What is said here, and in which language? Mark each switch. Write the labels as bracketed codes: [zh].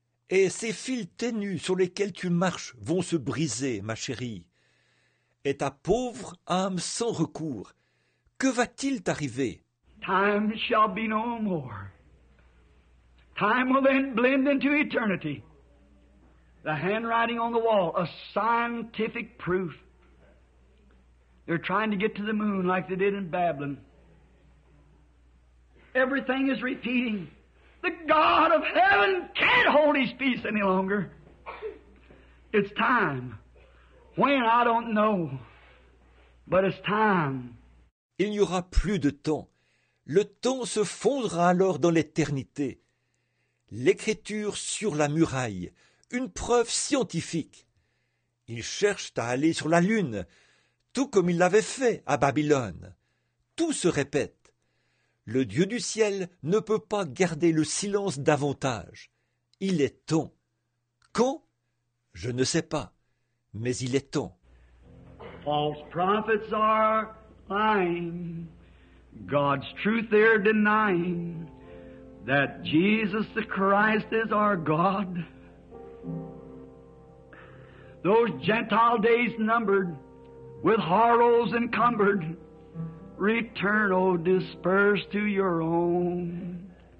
[fr] Et ces fils ténus sur lesquels tu marches vont se briser, ma chérie. Et ta pauvre âme sans recours, que va-t-il t'arriver? [en] Time shall be no more. Time will then blend into eternity. The handwriting on the wall, a scientific proof. They're trying to get to the moon like they did in Babylon. Everything is repeating. The God of heaven can't hold his peace any longer. It's time. When, I don't know. But it's time. [fr] Il n'y aura plus de temps. Le temps se fondra alors dans l'éternité. L'écriture sur la muraille, une preuve scientifique. Ils cherchent à aller sur la lune, tout comme ils l'avaient fait à Babylone. Tout se répète. Le Dieu du ciel ne peut pas garder le silence davantage. Il est temps. Quand? Je ne sais pas, mais il est temps. [en] False prophets are lying. God's truth they're denying. That Jesus the Christ is our God. Those Gentile days numbered, with horrors encumbered, return, O disperse, to your own.